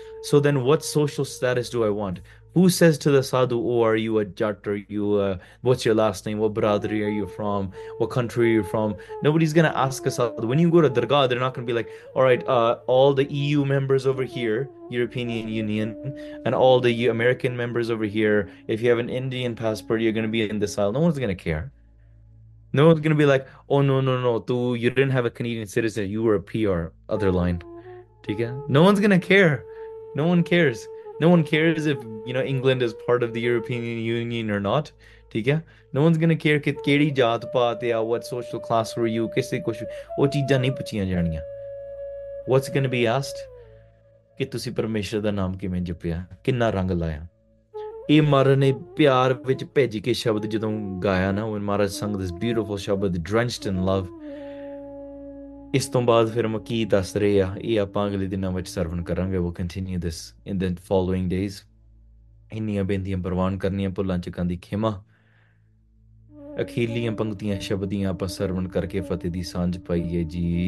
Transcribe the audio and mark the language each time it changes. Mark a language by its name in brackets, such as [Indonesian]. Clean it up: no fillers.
[English] So then what social status do I want who says to the sadhu oh are you a Jat are you what's your last name what biradari are you from what country are you from nobody's gonna ask a sadhu when you go to dargah they not gonna be like alright all the EU members over here European Union and all the American members over here. If you have an Indian passport, you're going to be in this aisle. No one's going to care. No one's going to be like, oh, no. Tu, you didn't have a Canadian citizen. You were a PR. Other line. No one's going to care. No one cares. No one cares if England is part of the European Union or not. No one's going to care [Punjabi] ki kehdi jaat paat ya, [English] what social class were you, [Punjabi] kisi kuch. Oh, cheezan nahi puchiyan janiyan. [English] What's going to be asked? [Punjabi] ਕਿ ਤੁਸੀਂ ਪਰਮੇਸ਼ਰ ਦਾ ਨਾਮ ਕਿਵੇਂ ਜਪਿਆ ਕਿੰਨਾ ਰੰਗ ਲਾਇਆ ਇਹ ਮਹਾਰਾਜ ਨੇ ਪਿਆਰ ਵਿੱਚ ਭਿੱਜ ਕੇ ਸ਼ਬਦ ਜਦੋਂ ਗਾਇਆ ਨਾ ਉਹ ਮਹਾਰਾਜ ਸੰਗ [English] this beautiful shabad drenched in love [Punjabi] ਇਸ ਤੋਂ ਬਾਅਦ ਫਿਰ ਮੈਂ ਕੀ ਦੱਸ ਰਹੇ ਆ ਇਹ ਆਪਾਂ ਅਗਲੇ ਦਿਨਾਂ ਵਿੱਚ ਸਰਵਣ ਕਰਾਂਗੇ [English] we continue this in the following days [Punjabi] ਇੰਨੀਆਂ ਬੇਨਤੀਆਂ ਪ੍ਰਵਾਨ ਕਰਨੀਆਂ ਭੁੱਲਾਂ ਚੱਕਾਂ ਦੀ ਖਿਮਾ ਅਖੀਰਲੀਆਂ ਪੰਕਤੀਆਂ ਸ਼ਬਦੀਆਂ ਆਪਾਂ ਸਰਵਣ ਕਰਕੇ ਫਤਿਹ ਦੀ ਸਾਂਝ ਪਾਈਏ ਜੀ